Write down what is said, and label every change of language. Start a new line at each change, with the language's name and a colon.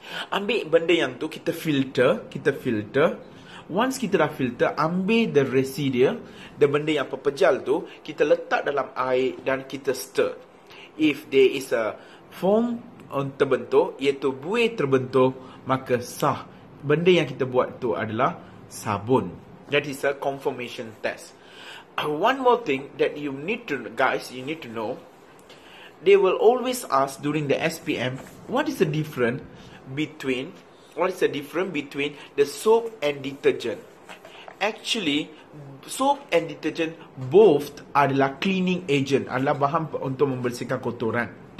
Malay: Ambil benda yang tu, kita filter. Once kita dah filter, ambil
English: the residual,
Malay: the benda yang pepejal tu, kita letak dalam air dan kita stir.
English: If there is a foam
Malay: terbentuk, iaitu buih terbentuk, maka sah. Benda yang kita buat tu adalah sabun.
English: That is a conformation test. One more thing that you need to know, they will always ask during the SPM, what is the difference between the soap and detergent? Actually, soap and detergent both adalah cleaning agent,
Malay: adalah bahan untuk membersihkan kotoran.